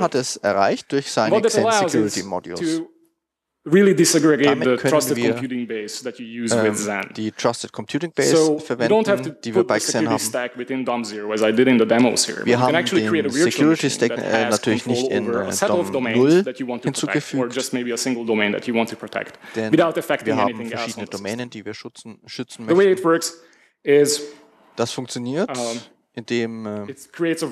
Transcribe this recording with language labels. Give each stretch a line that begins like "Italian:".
German: hat es erreicht durch seine Xen Security Modules.
English: Really disaggregate the trusted computing base that you use with Xen.
German: Die trusted computing base verwenden,
English: don't have to
German: die wir bei Xen haben.
English: Stack within DOM 0, as I did in the demos here.
German: Wir haben den Security Stack natürlich nicht in DOM 0 hinzugefügt, denn wir haben verschiedene Domänen, die wir schützen möchten.
English: The way it works is,
German: das funktioniert. Indem es einen